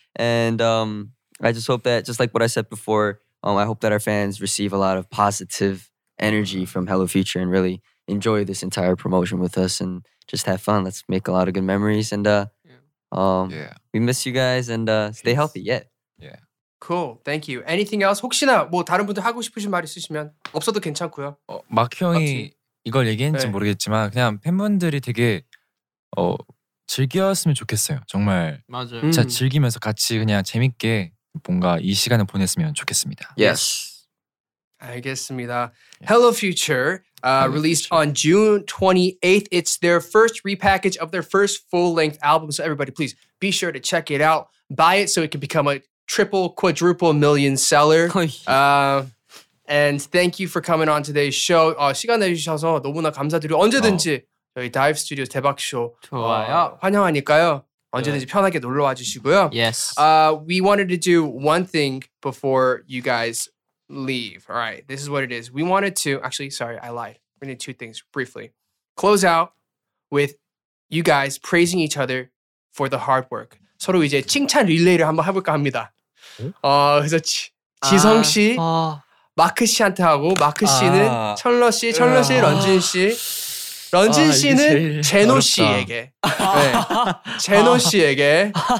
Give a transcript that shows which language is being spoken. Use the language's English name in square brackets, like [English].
[English] And I just hope that, just like what I said before, I hope that our fans receive a lot of positive energy from Hello Future and really enjoy this entire promotion with us and just have fun. Let's make a lot of good memories. And yeah. We miss you guys and stay healthy. Yeah. Yeah. Cool. Thank you. Anything else? [Korean] 혹시나 뭐 다른 분들 하고 싶으신 말 있으시면 없어도 괜찮고요. 막 형이 이걸 얘기했는지 네. 모르겠지만 그냥 팬분들이 되게 즐겼으면 좋겠어요. 정말. 맞아요. 진짜 즐기면서 같이 그냥 재밌게 뭔가 이 시간을 보냈으면 좋겠습니다. [English] Yes. [Korean] 알겠습니다. [English] Hello Future, released on June 28th. It's their first repackage of their first full-length album. So everybody, please be sure to check it out. Buy it so it can become a triple, quadruple million seller. And thank you for coming on today's show. [Korean] 시간 내주셔서 너무나 감사드리고 언제든지 저희 Dive Studios 대박쇼 환영하니까요. 언제든지 편하게 놀러 와주시고요. [English] Yes. We wanted to do one thing before you guys leave. All right. This is what it is. We wanted to... Actually, sorry, I lied. We need two things briefly. Close out with you guys praising each other for the hard work. [Korean] 서로 이제 칭찬 릴레이를 한번 해볼까 합니다. 그래서 지성 씨, 마크 씨한테 하고 마크 씨는 철러 씨, 철러 씨, 런쥔 씨. 런쥔 씨는 제노 씨에게. 네. 제노 씨에게.